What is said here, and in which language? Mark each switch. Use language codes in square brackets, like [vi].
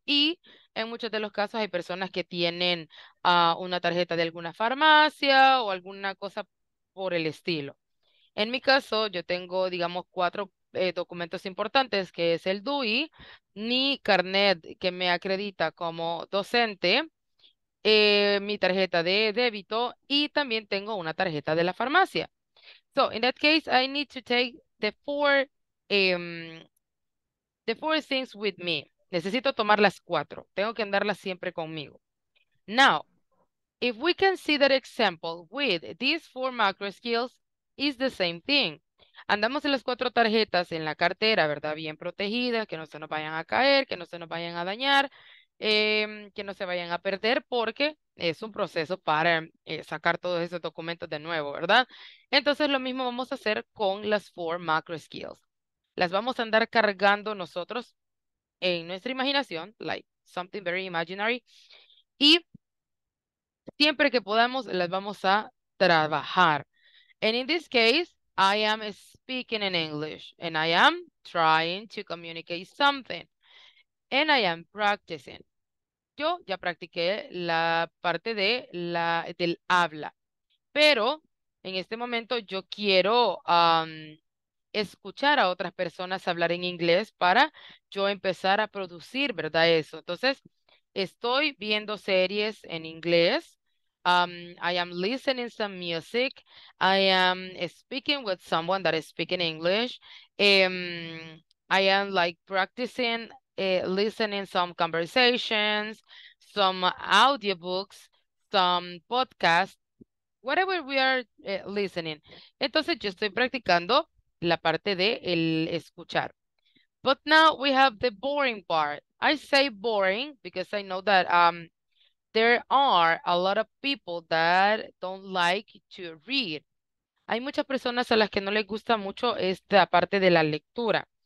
[es] Y en muchos de los casos hay personas que tienen una tarjeta de alguna farmacia o alguna cosa por el estilo. En mi caso, yo tengo, digamos, cuatro documentos importantes, que es el DUI, mi carnet que me acredita como docente, mi tarjeta de débito, y también tengo una tarjeta de la farmacia. [en] So, in that case, I need to take the four things with me. [es] Necesito tomar las cuatro. Tengo que andarlas siempre conmigo. [en] Now, if we can see that example with these four macro skills, it's the same thing. [es] Andamos en las cuatro tarjetas en la cartera, ¿verdad? Bien protegidas, que no se nos vayan a caer, que no se nos vayan a dañar, que no se vayan a perder, porque es un proceso para sacar todos esos documentos de nuevo, ¿verdad? Entonces, lo mismo vamos a hacer con las [en] four macro skills. [es] Las vamos a andar cargando nosotros en nuestra imaginación, [en] like something very imaginary, [es] y siempre que podamos, las vamos a trabajar. [en] And in this case, I am speaking in English, and I am trying to communicate something, and I am practicing. [es] Yo ya practiqué la parte de la, del habla, pero en este momento yo quiero escuchar a otras personas hablar en inglés para yo empezar a producir, ¿verdad? Eso. Entonces, estoy viendo series en inglés. [en] I am listening some music. I am speaking with someone that is speaking English. I am like practicing listening some conversations, some audiobooks, some podcasts, whatever we are listening. [es] Entonces, yo estoy practicando la parte de el escuchar. [en] But now we have the boring part. I say boring because I know that there are a lot of people that don't like to read. [es] Hay muchas personas a las que no les gusta mucho esta parte de la lectura.